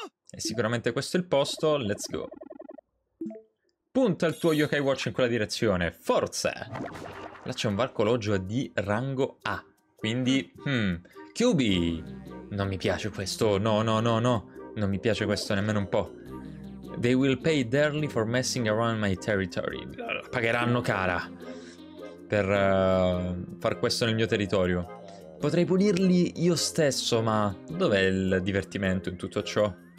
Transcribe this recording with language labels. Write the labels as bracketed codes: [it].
[it] E sicuramente questo è il posto. [en] Let's go. [it] Punta il tuo Yokai Watch in quella direzione. Forza! Là c'è un varcologio di rango A. Quindi, Kyubi! Non mi piace questo. No. Non mi piace questo nemmeno un po'. [en] They will pay dearly for messing around my territory. [it] Pagheranno cara per far questo nel mio territorio. Potrei punirli io stesso, ma dov'è il divertimento in tutto ciò?